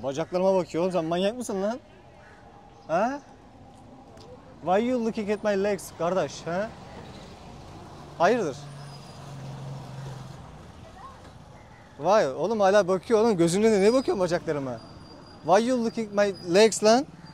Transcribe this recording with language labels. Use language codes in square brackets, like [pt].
[tr] Bacaklarıma bakıyor oğlum, sen manyak mısın lan? Ha? [en] Why you looking at my legs kardeş? [tr] Ha? Hayırdır? Vay oğlum, hala bakıyor oğlum. Gözümle ne bakıyorsun bacaklarıma? [en] Why you looking at my legs lan?